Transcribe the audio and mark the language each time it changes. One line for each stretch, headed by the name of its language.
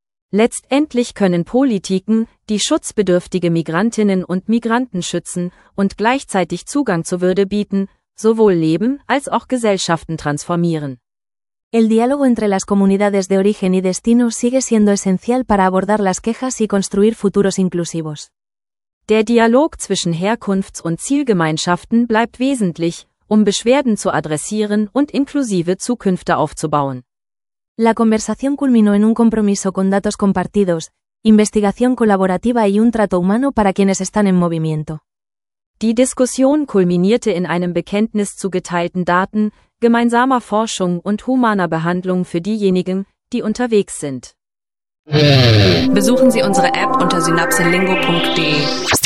German: Letztendlich können Politiken, die schutzbedürftige Migrantinnen und Migranten schützen und gleichzeitig Zugang zur Würde bieten, sowohl Leben als auch Gesellschaften transformieren.
Spanish: El diálogo entre las comunidades de origen y destino sigue siendo esencial para abordar las quejas y construir futuros inclusivos.
German: Der Dialog zwischen Herkunfts- und Zielgemeinschaften bleibt wesentlich, um Beschwerden zu adressieren und inklusive Zukünfte aufzubauen.
Spanish: La conversación culminó en un compromiso con datos compartidos, investigación colaborativa y un trato humano para quienes están en movimiento.
German: Die Diskussion kulminierte in einem Bekenntnis zu geteilten Daten, gemeinsamer Forschung und humaner Behandlung für diejenigen, die unterwegs sind. Besuchen Sie unsere App unter synapsenlingo.de.